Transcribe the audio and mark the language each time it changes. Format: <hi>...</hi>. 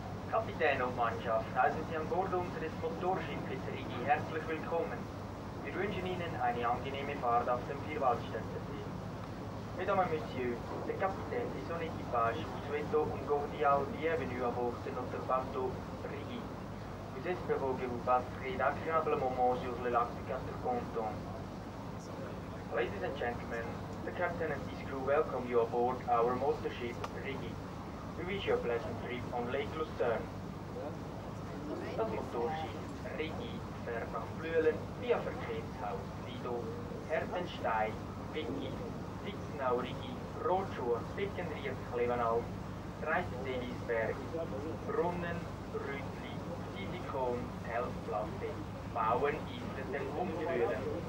<de>Kapitän und Mannschaft, heißen Sie an Bord unseres Motorschiffes Rigi herzlich willkommen. Wir wünschen Ihnen eine angenehme Fahrt auf dem Vierwaldstättersee.</de> <fr>Mesdames et Messieurs, le capitaine et son équipage vous souhaitent une cordiale bienvenue à bord de notre bateau Rigi. Nous espérons que vous passerez d'agréables moments sur le lac de Quatre Cantons.</fr> <en>Ladies and gentlemen, the captain and his crew welcome you aboard our motor ship Rigi. We wish you a pleasant trip on Lake Lucerne.</en> <de>Das Motorschiff Rigi fährt nach Flüelen via Verkehrshaus, Lido, Hertenstein, Vicky, Sitznau, Rigi, Rotschuhe, Bickenried, Klevenau, Reisendelisberg, Brunnen, Rütli, Silikon, Elfplatte, Bauen, Islen und Flüelen.</de>